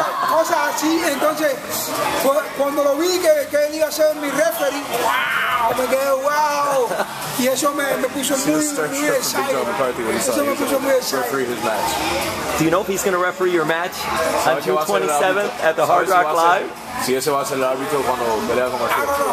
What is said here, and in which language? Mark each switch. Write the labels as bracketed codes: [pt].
[es] Cosas así, entonces cuando lo vi que él iba a ser mi referee, wow, me quedé wow, y eso me puso muy excited. Eso me puso muy excited. [en] Do you know if he's going to referee your match on June 27th at the Hard Rock Live? [es] Si ese va a ser el árbitro cuando pelea con Martín.